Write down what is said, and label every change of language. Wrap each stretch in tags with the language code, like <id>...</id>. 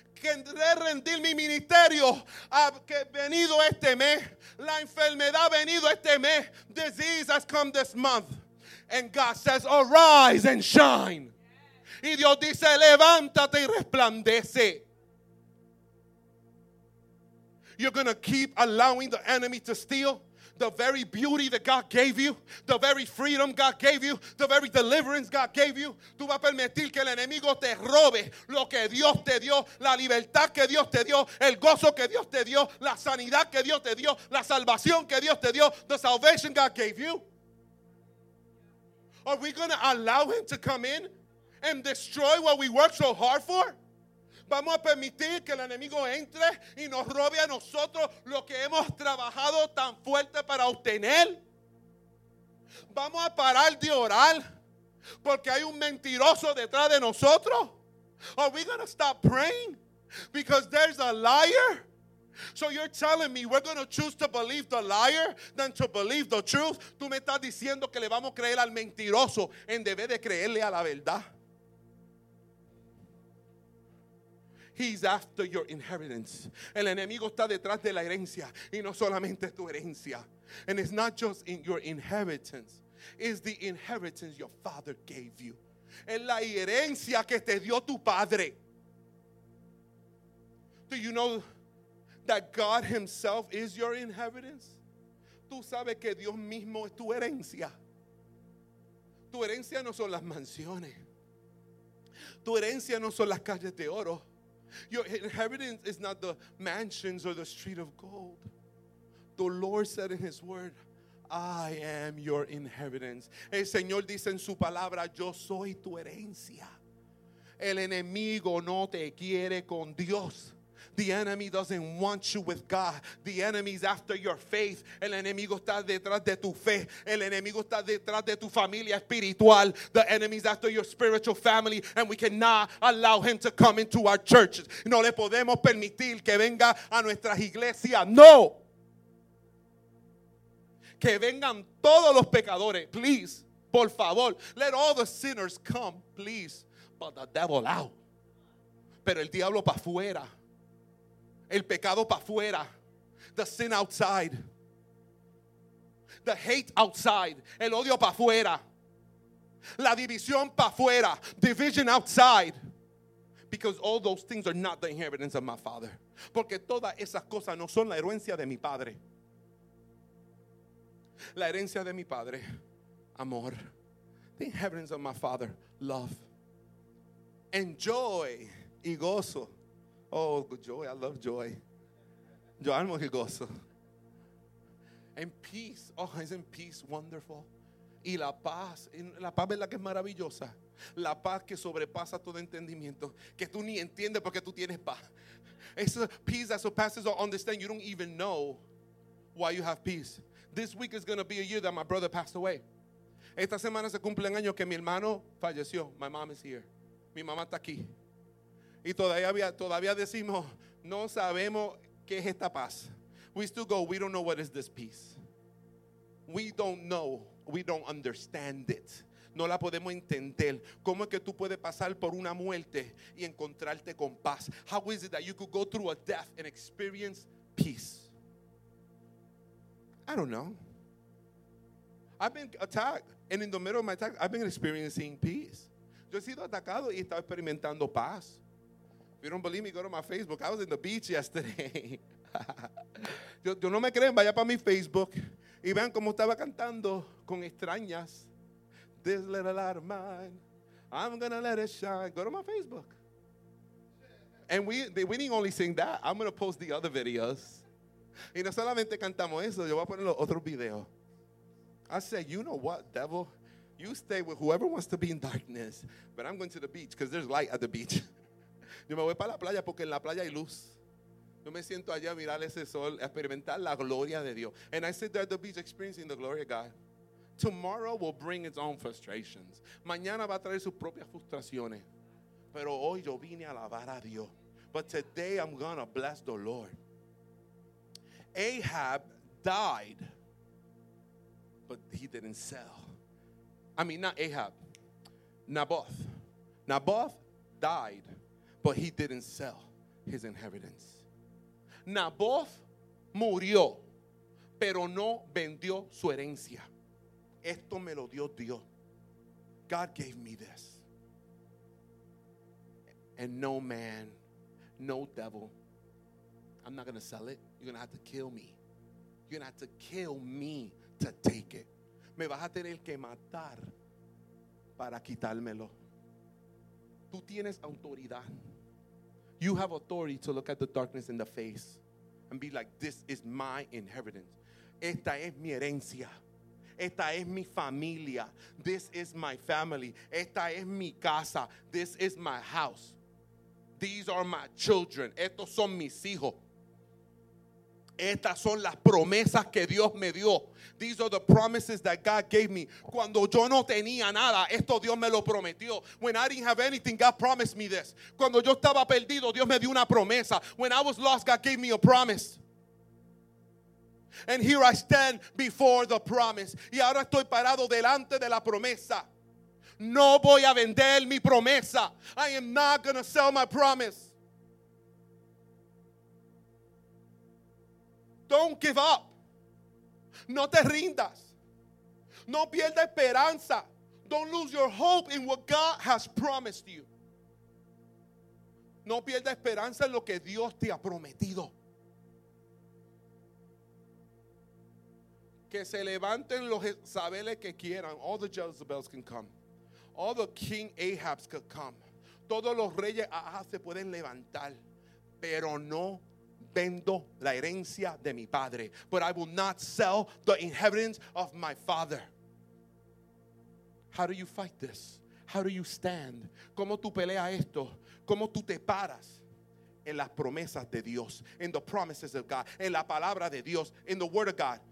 <es>Querré rendir mi ministerio ha venido este mes. La enfermedad ha venido este mes.</es> <en>Disease has come this month. And God says, arise and shine.</en> <es>Y Dios dice, levántate y resplandece.</es> <en>You're going to keep allowing the enemy to steal the very beauty that God gave you, the very freedom God gave you, the very deliverance God gave you.</en> <es>Tú vas a permitir que el enemigo te robe lo que Dios te dio, la libertad que Dios te dio, el gozo que Dios te dio, la sanidad que Dios te dio, la salvación que Dios te dio,</es> <en>the salvation God gave you. Are we going to allow him to come in and destroy what we worked so hard for?</en> <es>¿Vamos a permitir que el enemigo entre y nos robe a nosotros lo que hemos trabajado tan fuerte para obtener? ¿Vamos a parar de orar porque hay un mentiroso detrás de nosotros?</es> <en>Are we going to stop praying because there's a liar? So you're telling me we're going to choose to believe the liar than to believe the truth?</en> <es>Tú me estás diciendo que le vamos a creer al mentiroso en vez de creerle a la verdad.</es> <en>He's after your inheritance.</en> <es>El enemigo está detrás de la herencia. Y no solamente tu herencia.</es> <en>And it's not just in your inheritance. It's the inheritance your father gave you.</en> <es>Es la herencia que te dio tu padre.</es> <en>Do you know that God himself is your inheritance?</en> <es>Tú sabes que Dios mismo es tu herencia. Tu herencia no son las mansiones. Tu herencia no son las calles de oro.</es> <en>Your inheritance is not the mansions or the street of gold. The Lord said in his word, I am your inheritance.</en> <es>El Señor dice en su palabra, yo soy tu herencia. El enemigo no te quiere con Dios.</es> <en>The enemy doesn't want you with God. The enemy is after your faith.</en> <es>El enemigo está detrás de tu fe. El enemigo está detrás de tu familia espiritual.</es> <en>The enemy is after your spiritual family. And we cannot allow him to come into our churches.</en> <es>No le podemos permitir que venga a nuestras iglesias. No. Que vengan todos los pecadores.</es> <en>Please.</en> <es>Por favor.</es> <en>Let all the sinners come. Please. But the devil out.</en> <es>Pero el diablo para afuera. El pecado para afuera.</es> <en>The sin outside. The hate outside.</en> <es>El odio para afuera. La división para afuera.</es> <en>Division outside. Because all those things are not the inheritance of my father.</en> <es>Porque todas esas cosas no son la herencia de mi padre. La herencia de mi padre. Amor.</es> <en>The inheritance of my father. Love. Enjoy.</en> <es>Y gozo.</es> <en>Oh, joy, I love joy.</en> <es>Yo amo el gozo.</es> <en>And peace, oh, isn't peace wonderful?</en> <es>Y la paz es la que es maravillosa. La paz que sobrepasa todo entendimiento, que tú ni entiendes porque tú tienes paz.</es> <en>It's a peace that surpasses all understanding. You don't even know why you have peace. This week is going to be a year that my brother passed away.</en> <es>Esta semana se cumple un año que mi hermano falleció.</es> <en>My mom is here.</en> <es>Mi mamá está aquí. Y todavía decimos, no sabemos qué es esta paz.</es> <en>We still go, we don't know what is this peace. We don't know. We don't understand it.</en> <es>No la podemos entender. ¿Cómo es que tú puedes pasar por una muerte y encontrarte con paz?</es> <en>How is it that you could go through a death and experience peace? I don't know. I've been attacked. And in the middle of my attack, I've been experiencing peace.</en> <es>Yo he sido atacado y estaba experimentando paz.</es> <en>If you don't believe me, go to my Facebook. I was in the beach yesterday.</en> <es>Yo no me creen, vaya para mi Facebook. Y vean cómo estaba cantando con extrañas.</es> <en>This little light of mine, I'm gonna let it shine. Go to my Facebook. And we didn't only sing that. I'm gonna post the other videos.</en> <es>Y no solamente cantamos eso, yo voy a poner los otros videos.</es> <en>I said, you know what, devil? You stay with whoever wants to be in darkness, but I'm going to the beach because there's light at the beach.</en> <es>Yo me voy para la playa porque en la playa hay luz. Yo me siento allá a mirar ese sol, a experimentar la gloria de Dios.</es> <en>And I sit there at the beach experiencing the glory of God. Tomorrow will bring its own frustrations.</en> <es>Mañana va a traer sus propias frustraciones. Pero hoy yo vine a alabar a Dios.</es> <en>But today I'm going to bless the Lord. Ahab died, but he didn't sell. I mean, not Ahab. Naboth. Naboth died, but he didn't sell his inheritance.</en> <es>Naboth murió, pero no vendió su herencia. Esto me lo dio Dios.</es> <en>God gave me this. And no man, no devil, I'm not going to sell it. You're going to have to kill me. You're going to have to kill me to take it.</en> <es>Me vas a tener que matar para quitármelo. Tú tienes autoridad.</es> <en>You have authority to look at the darkness in the face and be like, this is my inheritance.</en> <es>Esta es mi herencia. Esta es mi familia.</es> <en>This is my family.</en> <es>Esta es mi casa.</es> <en>This is my house. These are my children.</en> <es>Estos son mis hijos. Estas son las promesas que Dios me dio.</es> <en>These are the promises that God gave me.</en> <es>Cuando yo no tenía nada, esto Dios me lo prometió.</es> <en>When I didn't have anything, God promised me this.</en> <es>Cuando yo estaba perdido, Dios me dio una promesa.</es> <en>When I was lost, God gave me a promise. And here I stand before the promise.</en> <es>Y ahora estoy parado delante de la promesa. No voy a vender mi promesa.</es> <en>I am not going to sell my promise. Don't give up.</en> <es>No te rindas. No pierdas esperanza.</es> <en>Don't lose your hope in what God has promised you.</en> <es>No pierdas esperanza en lo que Dios te ha prometido. Que se levanten los Jezabeles que quieran.</es> <en>All the Jezebels can come. All the King Ahabs could come.</en> <es>Todos los reyes Ahab se pueden levantar. Pero no vendo la herencia de mi padre.</es> <en>But I will not sell the inheritance of my father. How do you fight this? How do you stand?</en> <es>¿Cómo tú peleas esto? ¿Cómo tú te paras? En las promesas de Dios.</es> <en>In the promises of God.</en> <es>En la palabra de Dios.</es> <en>In the word of God.</en>